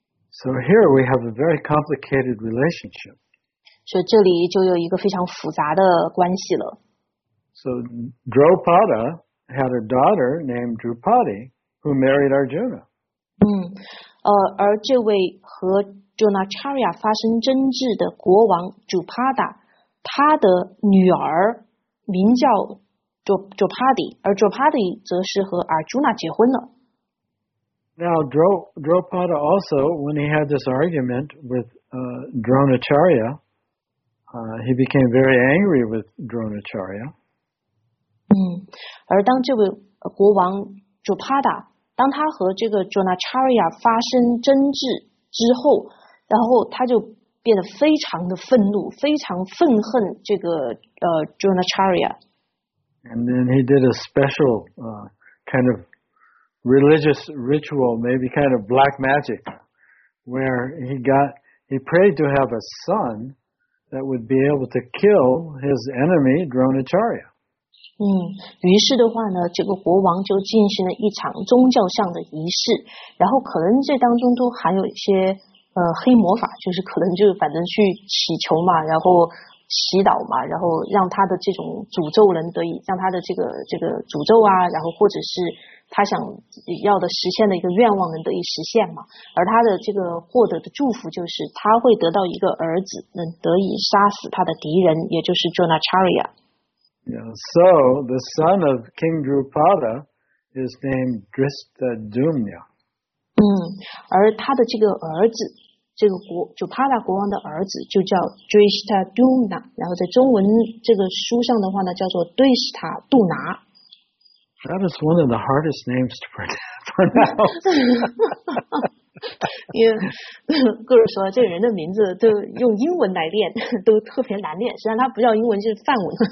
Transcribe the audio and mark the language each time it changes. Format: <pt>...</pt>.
<en>So here we have a very complicated relationship.</en> <zh>所以这里就有一个非常复杂的关系了。</zh> <en>So Drupada had a daughter named Drupadi who married Arjuna.</en> <zh>而这位和 Dronacharya 发生争执的国王 Drupada。他的女儿名叫 Drupadi, 而 Drupadi 则是和 Arjuna 结婚了。</zh> <en>Now, Draupada also, when he had this argument with Dronacharya, he became very angry with Dronacharya.</en> <zh>而当这位国王 Draupada 当他和这个 Dronacharya 发生争执之后，然后他就变得非常的愤怒，非常愤恨这个Dronacharya。</zh> <en>And then he did a special kind of religious ritual, maybe kind of black magic, where he prayed to have a son that would be able to kill his enemy Dronacharya.</en> <zh>于是的话呢，这个国王就进行了一场宗教上的仪式，然后可能这当中都含有一些黑魔法，就是可能就反正去祈求嘛，然后祈祷嘛，然后让他的这种诅咒能得以让他的这个诅咒啊，然后或者是他想要的实现的一个愿望能得以实现嘛。而他的这个获得的祝福就是他会得到一个儿子，能得以杀死他的敌人，也就是 Dronacharya。</zh> <en>Yeah, so the son of King Draupada is named Drishtadyumna.</en> <zh>而他的这个儿子。这个国就帕达国王的儿子就叫 Drishtadyumna， 然后在中文这个书上的话呢，叫做对史塔杜拿。</zh> <en>That is one of the hardest names to pronounce.</en> <zh>因为个人说，这个人的名字都用英文来念都特别难念，虽然他不叫英文，就是梵文。</zh>